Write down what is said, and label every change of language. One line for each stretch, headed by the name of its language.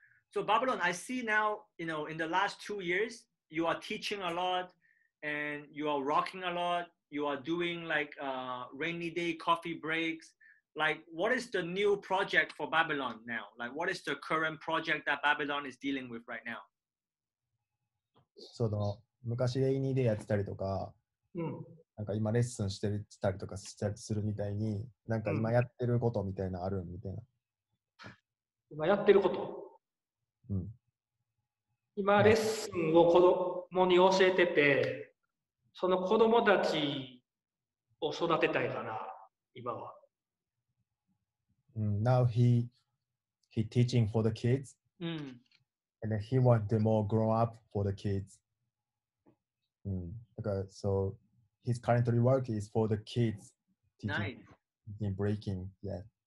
English: So Babylon, I see now, you know, in the last 2 years, you are teaching a lot and you are rocking a lot. You are doing like rainy day coffee breaks. Like, what is the new project for Babylon now? Like, what is the current project that Babylon is dealing with right now? So the
Japanese: 昔レイニーでやってたりとか、なんか今レッスンしてたりとかするみたいに、なんか今やってることみたいなあるみたいな。今やってること、うん、今レッスンを子供に教えてて、その子供たちを育てたいかな、今は。
English: Now he teaching for the kids.、And then he want them all grow up for the kids. Okay, so his current work is for the kids teaching in breaking. Yeah.